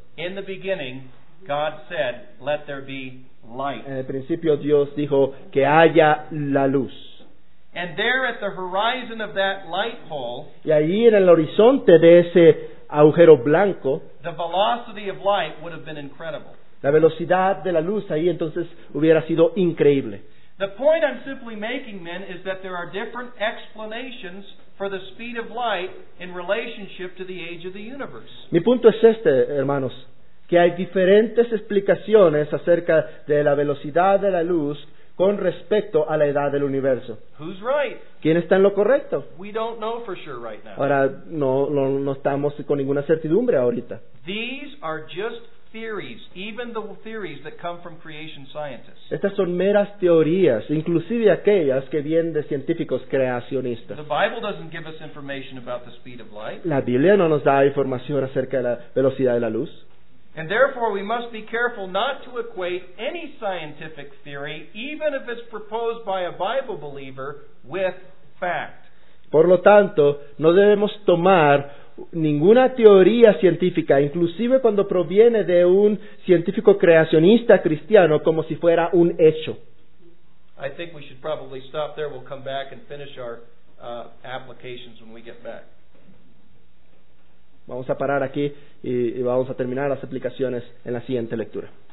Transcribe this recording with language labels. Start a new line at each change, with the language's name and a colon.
English: In the beginning, God said, "Let there be light."
Spanish: En el principio Dios dijo que haya la luz.
English: And there at the horizon of that light hole,
Spanish: y allí en el horizonte de ese agujero blanco,
English: the velocity of light would have been incredible.
Spanish: La velocidad de la luz ahí entonces hubiera sido increíble.
English: The point I'm simply making then is that there are different explanations for the speed of light in relationship to the age of the universe.
Spanish: Mi punto es este, hermanos, que hay diferentes explicaciones acerca de la velocidad de la luz con respecto a la edad del universo.
English: Who's right?
Spanish: ¿Quién está en lo correcto?
English: We don't know for sure right now.
Spanish: Ahora, no estamos con ninguna certidumbre ahorita.
English: These are just theories, even the theories that come from creation scientists.
Spanish: Estas son meras teorías, inclusive aquellas que vienen de científicos creacionistas.
English: The Bible doesn't give us information about the speed of light.
Spanish: La Biblia no nos da información acerca de la velocidad de la luz.
English: And therefore we must be careful not to equate any scientific theory, even if it's proposed by a Bible believer, with fact.
Spanish: Por lo tanto, no debemos tomar ninguna teoría científica, inclusive cuando proviene de un científico creacionista cristiano, como si fuera un hecho.
English: I think we should probably stop there. We'll come back and finish our applications when we get back.
Spanish: Vamos a parar aquí y vamos a terminar las aplicaciones en la siguiente lectura.